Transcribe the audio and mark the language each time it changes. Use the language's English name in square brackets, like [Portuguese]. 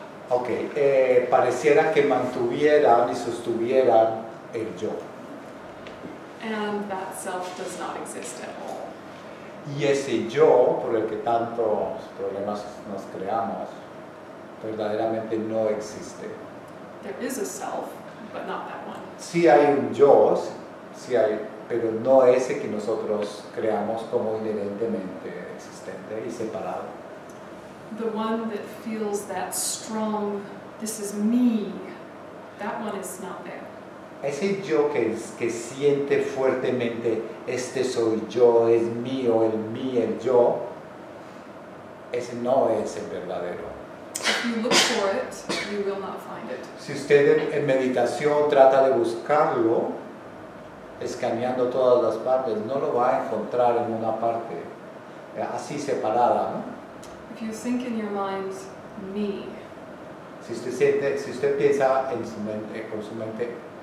[Spanish] Okay, pareciera que mantuvieran y sostuvieran el yo. [English] And that self does not exist at all. [Spanish] Y ese yo, por el que tantos problemas nos creamos, verdaderamente no existe. [English] There is a self, but not that one. [Spanish] Sí hay un yo, sí hay, pero no ese que nosotros creamos como inherentemente existente y separado. [English] The one that feels that strong, this is me, that one is not there. [Spanish] Ese yo que siente fuertemente, este soy yo, es mío, el mí, el yo, ese no es el verdadero. [English] If you look for it, you will not find it. [Spanish] Si usted en meditación trata de buscarlo, escaneando todas las partes, no lo va a encontrar en una parte así separada, ¿no? [English] If you think in your mind, me. [Spanish] Si usted piensa en su mente, con su mente,